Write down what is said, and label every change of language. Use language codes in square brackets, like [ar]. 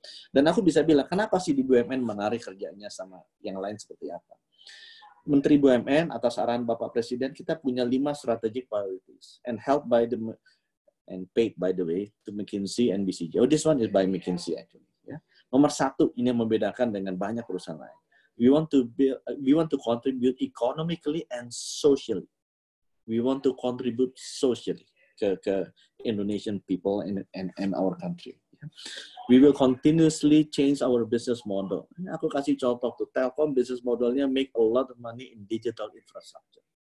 [id] Dan aku bisa bilang, kenapa sih di BUMN menarik kerjanya sama yang lain seperti apa? Menteri BUMN atas arahan Bapak Presiden, kita punya 5 [en] strategic priorities and helped by the and paid by the way to McKinsey and BCG. Oh, this one is by McKinsey actually. Yeah. [id] Nomor satu, ini yang membedakan dengan banyak perusahaan lain. [en] We want to contribute economically and socially. We want to contribute socially ke Indonesian people and our country. We will continuously change our business model. [id] Aku kasih contoh tuh, [en] Telkom business modelnya make a lot of money in digital infrastructure.